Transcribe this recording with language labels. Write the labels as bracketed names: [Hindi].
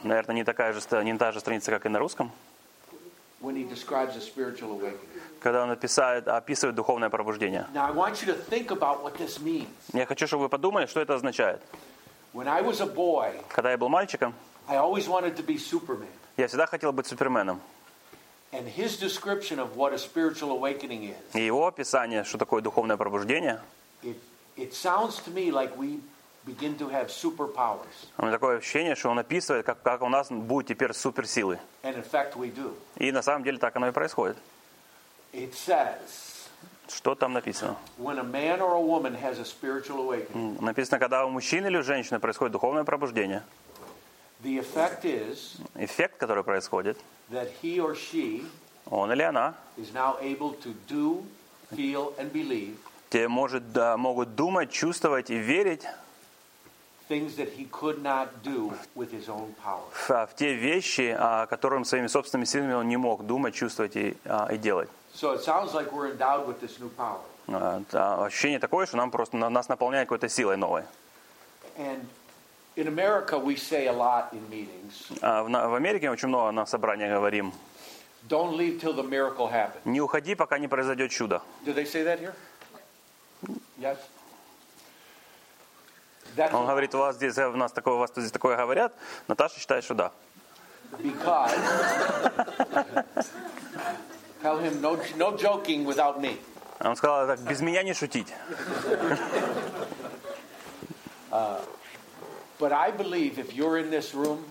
[Russian] Наверное, не та же страница, как и на русском. [English] When he describes a spiritual awakening. [Russian] Когда он описывает духовное пробуждение. [English] Now I want you to think about what this means. [Russian] Я хочу, чтобы вы подумали, что это означает. [English] When I was a boy. [Russian] Когда я был мальчиком. [English] I always wanted to be Superman. [Russian] Я всегда хотел быть Суперменом. [English] And his description of what a spiritual awakening is. [Russian] И его описание, что такое духовное пробуждение. [English] It It sounds to me like we begin to have superpowers. [Russian] У меня такое ощущение, что он описывает, как у нас будут теперь суперсилы. [English] And in fact, we do. [Russian] И на самом деле так оно и происходит. [English] It says. [Russian] Что там написано? [English] When a man or a woman has a spiritual awakening. [Russian] Написано, когда у мужчины или у женщины происходит духовное пробуждение. [English] The effect is. [Russian] Эффект, который происходит. [English] That he or she. [Russian] Он или она. [English] Is now able to do, feel, and believe. [Russian] Те может могут думать, чувствовать и верить. [English] Things that he could not do with his own power. [Russian] В те вещи, о которых своими собственными силами он не мог думать, чувствовать и делать. [English] So it sounds like we're endowed with this new power. [Russian] Ощущение такое, что нам просто нас наполняет какой-то силой новой. [English] And in America we say a lot in meetings. [Russian] В Америке очень много на собраниях говорим. [English] Don't leave till the miracle happens. [Russian] Не уходи, пока не произойдет чудо. [English] Do they say that here? Yes. [Russian] Он говорит, у вас здесь у нас такое, у вас здесь такое говорят. Наташа считает, что да. [English] Because. Tell him no, no joking without me. [Russian] Он сказал так, без меня не шутить. [English] But I believe if you're in this room.